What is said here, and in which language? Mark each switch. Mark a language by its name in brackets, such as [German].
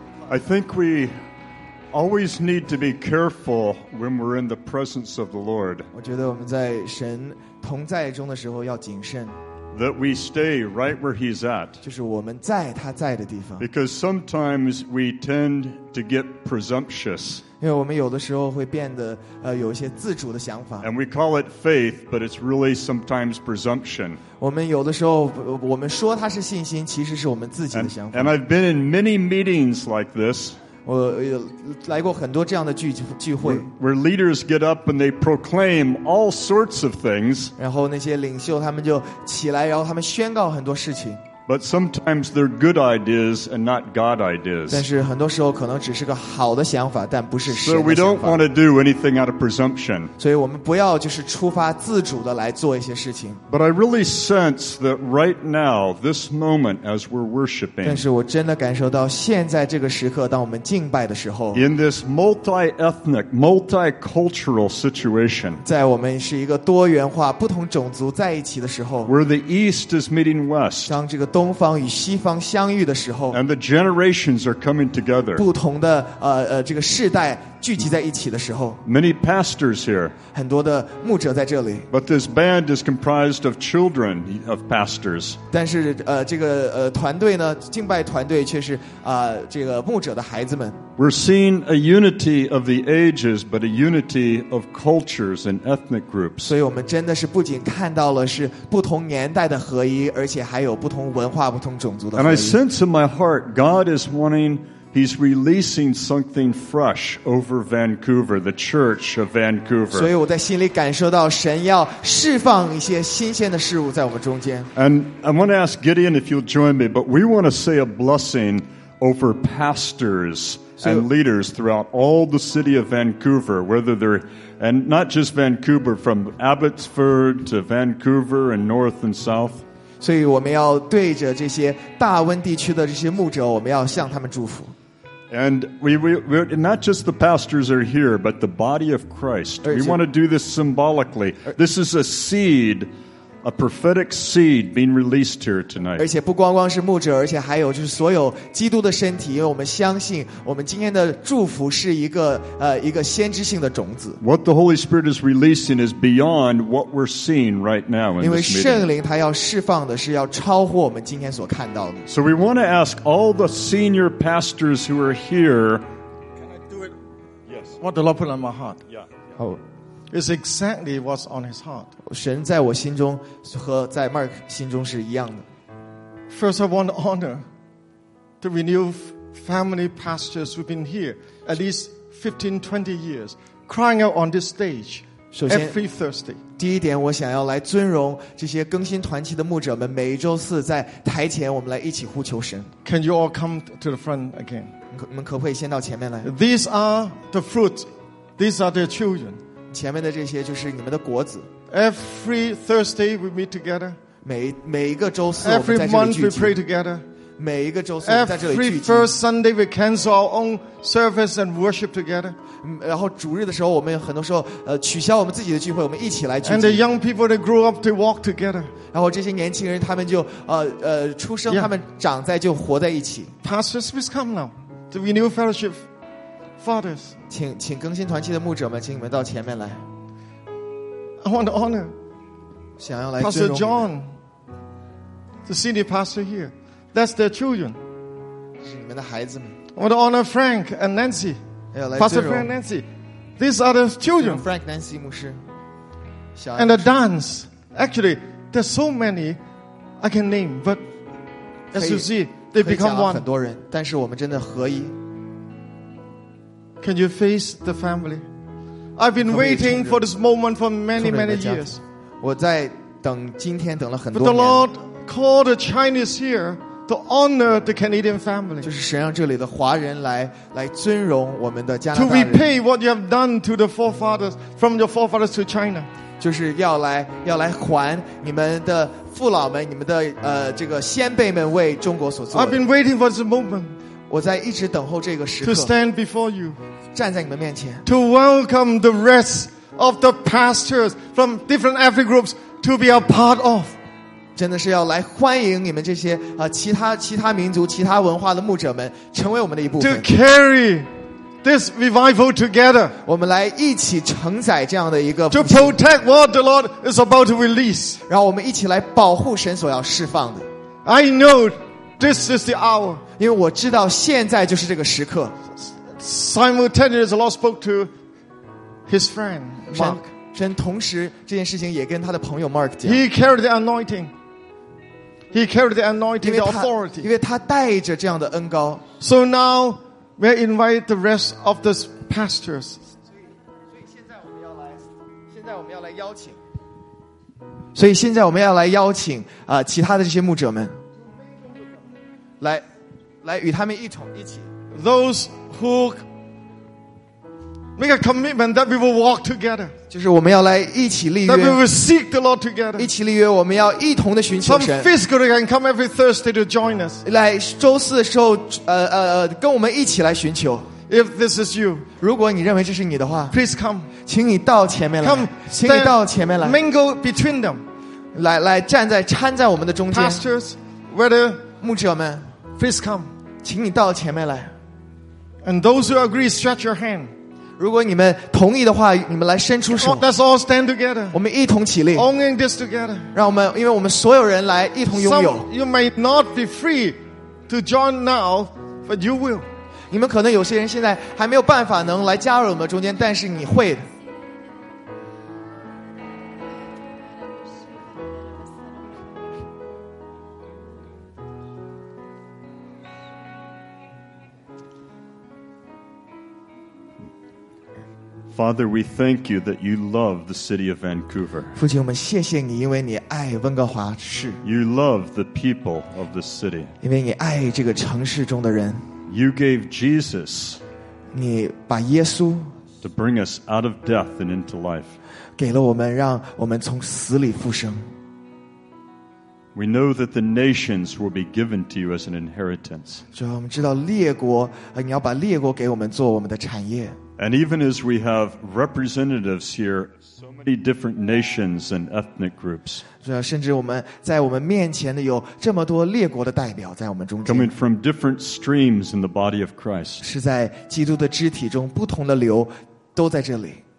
[English] I think we always need to be careful when we're in the presence of the Lord. [Chinese] 我觉得我们在神同在中的时候要谨慎。 [English] That we stay right where He's at. [Chinese] 就是我们在他在的地方。 [English] Because sometimes we tend to get presumptuous. [Chinese] 因为我们有的时候会变得有一些自主的想法。 [English] And we call it faith, but it's really sometimes presumption. [Chinese] 我们有的时候我们说它是信心，其实是我们自己的想法。 [English] And I've been in many meetings like this. [Chinese] 我来过很多这样的聚会 [English] where leaders get up and they proclaim all sorts of things. [Chinese] 然后那些领袖他们就起来，然后他们宣告很多事情。 [English] But sometimes they're good ideas and not God ideas. [Chinese] 但是很多时候可能只是个好的想法，但不是神的想法。 [English] So we don't want to do anything out of presumption. [Chinese] 所以我们不要就是出发自主的来做一些事情。 [English] But I really sense that right now, this moment, as we're worshiping. [Chinese] 但是我真的感受到现在这个时刻，当我们敬拜的时候。 [English] In this multi-ethnic, multicultural situation. [Chinese] 在我们是一个多元化、不同种族在一起的时候。 [English] Where the East is meeting West. [Chinese] 当这个东方与西方相遇的时候 [English] and the generations are coming together [Chinese] 不同的这个世代聚集在一起的时候 [English] many pastors here [Chinese] 很多的牧者在这里 [English] but this band is comprised of children of pastors [Chinese] 但是这个团队呢敬拜团队却是这个牧者的孩子们 [English] we're seeing a unity of the ages but a unity of cultures and ethnic groups [Chinese] 所以我们真的是不仅看到了是不同年代的合一而且还有不同文化不同种族的合一 [English] and I sense in my heart God is wantingHe's releasing something fresh over Vancouver, the church of Vancouver. [Chinese] 所以我在心里感受到神要释放一些新鲜的事物在我们中间。 [English] And I want to ask Gideon if you'll join me, but we want to say a blessing over pastors and leaders throughout all the city of Vancouver, whether they're, and not just Vancouver, from Abbotsford to Vancouver and north and south. [Chinese] 所以我们要对着这些大温地区的这些牧者，我们要向他们祝福。 [English] And we not just the pastors are here, but the body of Christ. We want to do this symbolically. This is a seed, a prophetic seed being released here tonight. [Chinese] 而且不光光是牧者，而且还有就是所有基督的身体，因为我们相信我们今天的祝福是一个先知性的种子。 [English] What the Holy Spirit is releasing is beyond what we're seeing right now in this meeting. [Chinese] 因为圣灵他要释放的是要超乎我们今天所看到的。 [English] So we want to ask all the senior pastors who are here. Can I do it? Yes. What the Lord put on my heart? Yeah. Oh. It's exactly what's on his heart. [Chinese] 神在我心中和在 Mark 心中是一样的。 [English] First, I want to honor the renewed family pastors who've been here at least 15, 20 years, crying out on this stage every Thursday. [Chinese] 第一点，我想要来尊荣这些更新团契的牧者们，每一周四在台前，我们来一起呼求神。 [English] Can you all come to the front again? [Chinese] 你们可不可以先到前面来 [English] ？These are the fruit. These are their children. [Chinese] 前面的这些就是你们的果子。 [English] Every Thursday we meet together. [Chinese] 每一个周四 [English] Every month we pray together. [Chinese] 每一个周四我们在这里聚集。 [English] Every first Sunday we cancel our own service and worship together. [Chinese] 然后主日的时候我们很多时候取消我们自己的聚会我们一起来聚集。 [English] And the young people they grew up to walk together. [Chinese] 然后这些年轻人他们就出生他们长在就活在一起。 [English] Pastors please come now. The renew fellowship. Fathers, [Chinese] 请更新团契的牧者们，请你们到前面来。 [English] I want to honor, [Chinese] 想要来 [English] Pastor John, the senior pastor here. That's their children. [Chinese] 是你们的孩子们。 [English] I want to honor Frank and Nancy, Pastor Frank and Nancy. These are the children. [Chinese] Frank, Nancy 牧师。 [English] And a dance. Actually, there's so many I can name, but as you see, they become one. [Chinese] 很多人，但是我们真的合一。 [English] Can you face the family? I've been waiting for this moment for many, many years. [Chinese] 我在等今天等了很多年。 [English] But the Lord called the Chinese here to honor the Canadian family. [Chinese] 就是神让这里的华人来尊荣我们的加拿大人。 [English] To repay what you have done to the forefathers, from your forefathers to China. [Chinese] 就是要来还你们的父老们，你们的这个先辈们为中国所做的。 [English] I've been waiting for this moment. [Chinese] 我在一直等候这个时刻。 [English] To stand before you. [Chinese] 站在你们面前。 [English] To welcome the rest of the pastors from different ethnic groups to be a part of. [Chinese] 真的是要来欢迎你们这些其他民族、其他文化的牧者们成为我们的一部分。 [English] To carry this revival together. [Chinese] 我们来一起承载这样的一个。 [English] To protect what the Lord is about to release. [Chinese] 然后我们一起来保护神所要释放的。 [English] I know this is the hour. [Chinese] 因为我知道现在就是这个时刻。 [English] Simultaneously, the Lord spoke to his friend Mark. [Chinese] 神同时这件事情也跟他的朋友 Mark 讲。 [English] He carried the anointing. He carried the anointing, the authority. [Chinese] 因为他带着这样的恩膏。 [English] So now we invite the rest of the pastors. [Chinese] 所以现在我们要来邀请。所以现在我们要来邀请其他的这些牧者们，来与他们一起。 [English] Those who make a commitment that we will walk together. [Chinese] 就是我们要来一起立约。 [English] That we will seek the Lord together. [Chinese] 一起立约，我们要一同的寻求神。 [English] Some physically can come every Thursday to join us. [Chinese] 来周四的时候，跟我们一起来寻求。 [English] If this is you, [Chinese] 如果你认为这是你的话 [English] ，please come. [Chinese] 请你到前面来。 [English] Come, [Chinese] 请你到前面来。 [English] Mingle between them. [Chinese] 来站在掺在我们的中间。 [English] Pastors, whether [Chinese] 牧者们 [English] ，please come. [Chinese] 请你到前面来。 [English] And those who agree, stretch your hand. [Chinese] 如果你们同意的话，你们来伸出手。 [English] Let's all stand together. [Chinese] 我们一同起立。 [English] Owning this together. [Chinese] 让我们，因为我们所有人来一同拥有。 [English] Some you may not be free to join now, but you will. [Chinese] 你们可能有些人现在还没有办法能来加入我们中间，但是你会的。 [English] Father, we thank you that you love the city of Vancouver. [Chinese] 父亲，我们谢谢你，因为你爱温哥华市。 [English] You love the people of the city. [Chinese] 因为你爱这个城市中的人。 [English] You gave Jesus. [Chinese] 你把耶稣。 [English] To bring us out of death and into life. [Chinese] 给了我们，让我们从死里复生。 [English] We know that the nations will be given to you as an inheritance. [Chinese] 主，我们知道列国，你要把列国给我们做我们的产业。 [English] And even as we have representatives here, so many different nations and ethnic groups. [Chinese] 甚至我们在我们面前的有这么多列国的代表在我们中间。 [English] Coming from different streams in the body of Christ. [Chinese] 是在基督的肢体中不同的流都在这里。